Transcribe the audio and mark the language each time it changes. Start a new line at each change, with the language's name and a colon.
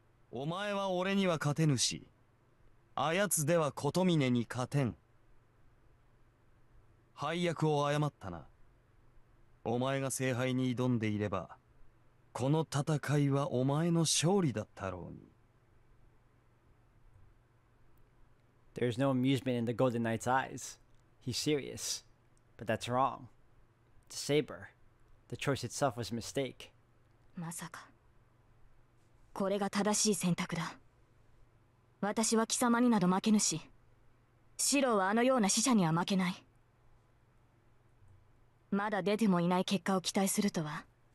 Japanese: お前は俺には勝てぬし、 あやつでは琴峰に勝てん。配役を誤ったな。お前が聖杯に挑んでいれば、 この戦いはお前の勝利だったろうに。
English: There's no amusement in the Golden Knight's eyes. He's serious, but that's wrong. To Saber, the choice itself was a mistake.
Japanese: まさか。これが正しい選択だ。私は貴様になど負けぬし、四郎はあのような死者には負けない。まだ出てもいない結果を期待するとは。